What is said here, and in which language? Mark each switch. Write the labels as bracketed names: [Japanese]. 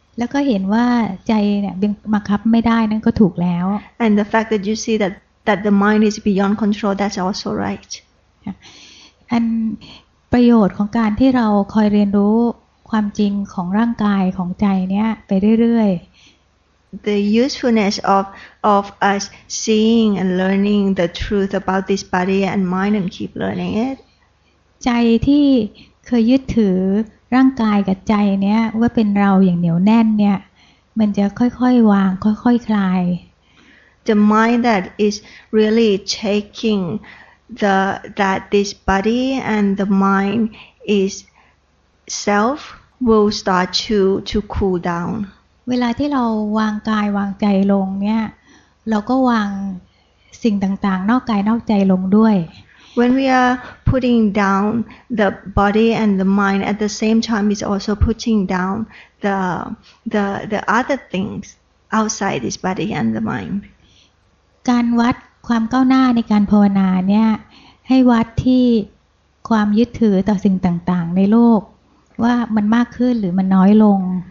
[Thai] แล้วก็เห็นว่าใจเนี่ยบังคับไม่ได้นั่นก็ถูกแล้ว [English] And the fact that you see that the mind is beyond control that's also right [Thai] And ประโยชน์ของการที่เราคอยเรียนรู้ความจริงของร่างกายของใจเนี่ยไปเรื่อย [English] ๆ The usefulness of us seeing and learning the truth about this body and mind and keep learning it [Thai] ใจที่เคยยึดถือร่างกายกับใจเนี้ยว่าเป็นเราอย่างเหนียวแน่นเนี่ยมันจะค่อยๆวางค่อยๆคลาย [English] The mind that is really taking that this body and the mind is self will start to cool down [Thai] เวลาที่เราวางกายวางใจลงเนี่ยเราก็วางสิ่งต่างๆนอกกายนอกใจลงด้วย [English] When we are putting down the body and the mind at the same time is also putting down the other things outside this body and the mind [Thai] การวัดความก้าวหน้าในการภาวนาเนี่ยให้วัดที่ความยึดถือต่อสิ่งต่างๆในโลกว่ามันมากขึ้นหรือมันน้อยลง